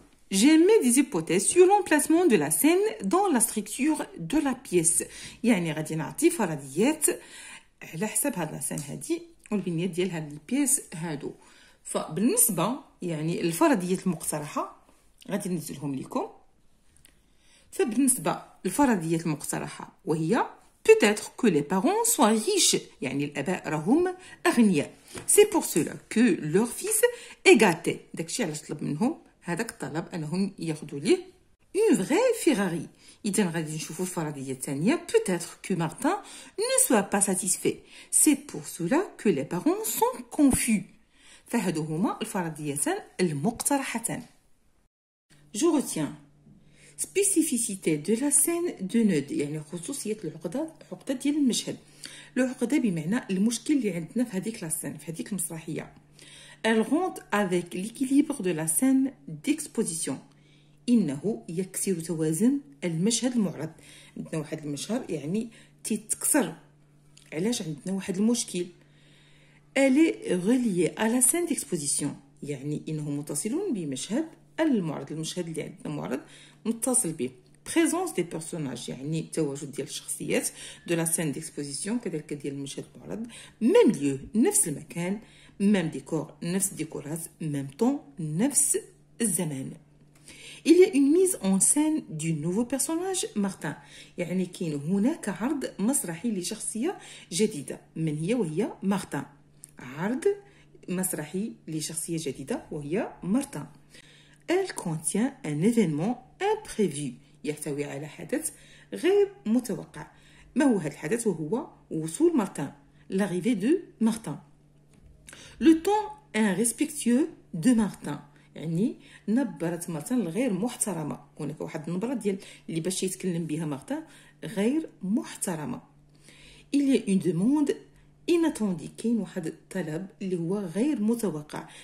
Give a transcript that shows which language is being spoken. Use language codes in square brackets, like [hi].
[fr] J'émets des hypothèses sur l'emplacement de la scène dans la structure de la pièce. [ar] يعني غادي نعطي فرضيات على حسب هاد لا سين هادي والبنيه ديال هاد لي بيس هادو. فبالنسبه يعني الفرضيات المقترحه غادي ننزلهم لكم. فبالنسبه الفرضيات المقترحه وهي [fr] peut-être que les parents soient riches [ar] يعني الاباء راهم اغنياء. [fr] C'est pour cela que leur fils est gâté. [ar] داكشي علاش طلب منهم هذاك الطلب انهم ياخذوا ليه اون فري فيراري. اذا غادي نشوفوا الفرضيه الثانيه peut-être que Martin ne soit pas satisfait. [fr] C'est pour cela que les parents sont confus. [ar] فهادو هما الفرضيتان المقترحتان. [fr] Je retiens spécificité de la scène de nœud [ar] يعني خصوصية العقدة عقدة ديال المشهد. العقدة بمعنى المشكل اللي عندنا في هذيك لا سين في هذيك المسرحية. [fr] Elle rompt avec l'équilibre de la scène d'exposition. [ar] إنه يكسر توازن المشهد المعرض. عندنا واحد المشهد يعني تتكسر. علاش عندنا واحد المشكل؟ [fr] Elle est reliée à la scène d'exposition. [ar] يعني إنه متصل بمشهد المعرض. المشهد اللي عندنا معرض متصل به. [fr] Présence des personnages [ar] يعني تواجد ديال الشخصيات [fr] de la scène d'exposition [ar] كذلك ديال المشهد المعرض. [fr] Même lieu [ar] نفس المكان. [fr] Même décor [ar] نفس الديكورات. [fr] Même temps [ar] نفس الزمان. [fr] Il y a une mise en scène du nouveau personnage Martin. [ar] يعني كاين هناك عرض مسرحي لشخصية جديدة. من هي وهي مارتان. عرض مسرحي لشخصية جديدة وهي مارتان. [fr] Elle contient un événement imprévu. [ar] يحتوي على حدث غير متوقع. ما هو هذا الحدث؟ وهو وصول مارتان. [fr] L'arrivée de Martin. Le ton est respectueux de Martin. [ar] يعني نبرة مارتان غير محترمة. هناك واحد النبرة ديال اللي باش يتكلم بها مارتان غير محترمة. [fr] Il y a une demande inattendue. [ar] كاين واحد الطلب اللي هو غير متوقع.